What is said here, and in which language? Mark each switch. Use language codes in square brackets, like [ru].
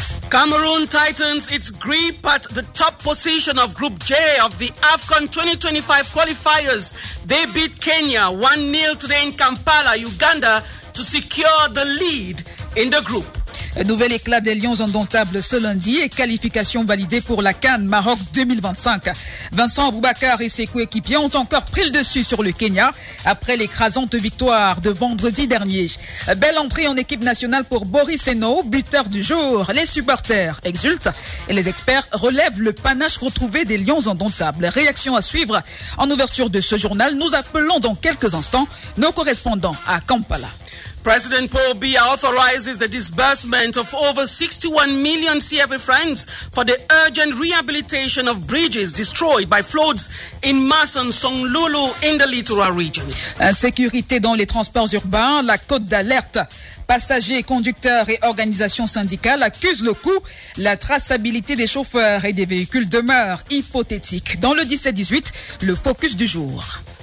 [en] Cameroon tightens its grip at the top position of Group J of the AFCON 2025 qualifiers. They beat Kenya 1-0 today in Kampala, Uganda, to secure the lead in the group. [fr] Un nouvel éclat des Lions indomptables ce lundi et qualification validée pour la CAN Maroc 2025. Vincent Aboubakar et ses coéquipiers ont encore pris le dessus sur le Kenya après l'écrasante victoire de vendredi dernier. Belle entrée en équipe nationale pour Boris Eno, buteur du jour. Les supporters exultent et les experts relèvent le panache retrouvé des Lions indomptables. Réaction à suivre en ouverture de ce journal. Nous appelons dans quelques instants nos correspondants à Kampala. [en] President Paul Biya authorizes the disbursement of over 61 million CFA francs for the urgent rehabilitation of bridges destroyed by floods in Masson Songlulu in the littoral region. [fr] Insécurité dans les transports urbains, la cote d'alerte. Passagers, conducteurs et organisations syndicales accusent le coût. La traçabilité des chauffeurs et des véhicules demeure hypothétique. Dans le 17-18, le focus du jour.